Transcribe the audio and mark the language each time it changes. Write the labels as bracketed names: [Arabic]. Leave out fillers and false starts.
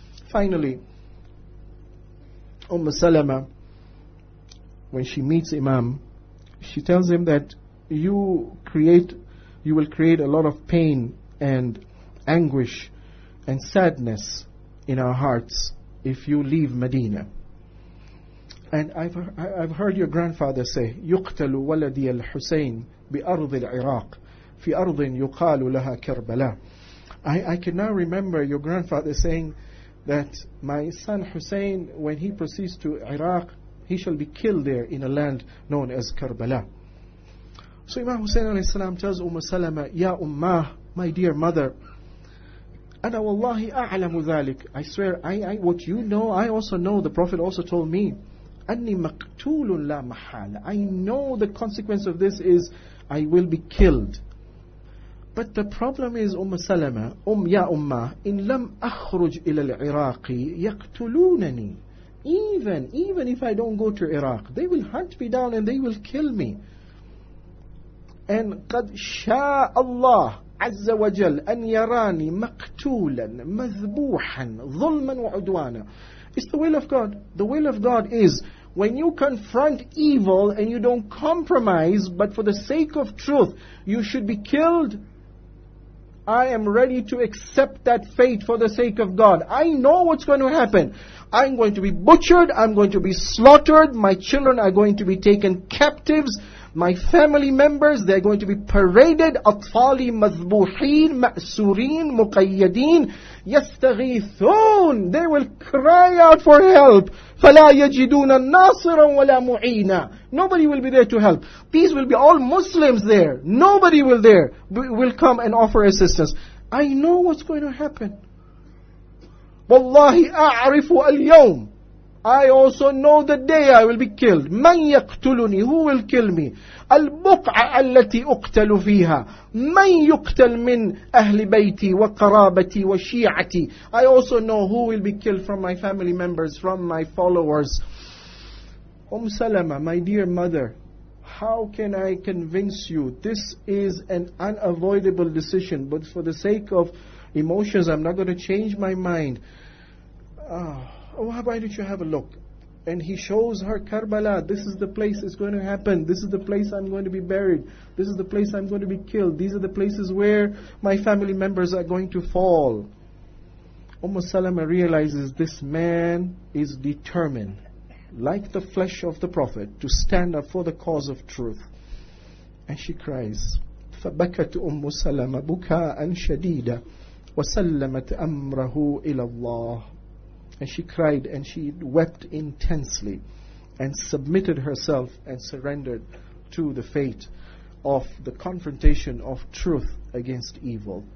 [English] Finally, Salama, when she meets Imam, she tells him that you will create a lot of pain and anguish and sadness in our hearts if you leave Medina. And I've heard your grandfather say, [Arabic] يقتل ولدي الحسين بأرض العراق في أرض يقال لها كربلاء. [English] I can now remember your grandfather saying that my son Hussein, when he proceeds to Iraq, he shall be killed there in a land known as Karbala. So Imam Hussein alayhi salam tells Umm Salama, [Arabic] Ya Ummah, [English] my dear mother, [Arabic] Ana wallahi a'lamu dhalik. [English] I swear, I what you know, I also know. The Prophet also told me, [Arabic] Anni maqtulun la mahala. [English] I know the consequence of this is I will be killed. But the problem is, [Arabic] Umm Salama, Ya Ummah, in lam akhruj ila al-Iraqi yaqtulunani. [English] Even if I don't go to Iraq, they will hunt me down and they will kill me. [Arabic] And قد شاء الله عز وجل أن يراني مقتولا مذبوحا ظلما وعدوانا. [English] It's the will of God. The will of God is when you confront evil and you don't compromise, but for the sake of truth, you should be killed. I am ready to accept that fate for the sake of God. I know what's going to happen. I'm going to be butchered. I'm going to be slaughtered. My children are going to be taken captives. My family members, they're going to be paraded. [Arabic] أطفالي مذبوحين مأسورين مقيدين يستغيثون. [English] They will cry out for help. [Arabic] فلا يجدون ناصرا ولا معينا. [English] Nobody will be there to help. These will be all Muslims there. Nobody will there will come and offer assistance. I know what's going to happen. [Arabic] Wallahi أعرف اليوم. [English] I also know the day I will be killed. [Arabic] من يقتلني? [English] Who will kill me? [Arabic] البقعة التي أقتل فيها. من يقتل من أهل بيتي وقرابتي وشيعتي. [English] I also know who will be killed from my family members, from my followers. Salama, my dear mother, how can I convince you? This is an unavoidable decision, but for the sake of emotions, I'm not going to change my mind. Why don't you have a look? And he shows her Karbala. This is the place it's going to happen. This is the place I'm going to be buried. This is the place I'm going to be killed. These are the places where my family members are going to fall. Salama realizes this man is determined, like the flesh of the Prophet, to stand up for the cause of truth. And she cries, [Arabic] فبكت أم سلمة بكاء شديدة وسلمت أمره إلى الله. [English] And she cried and she wept intensely and submitted herself and surrendered to the fate of the confrontation of truth against evil.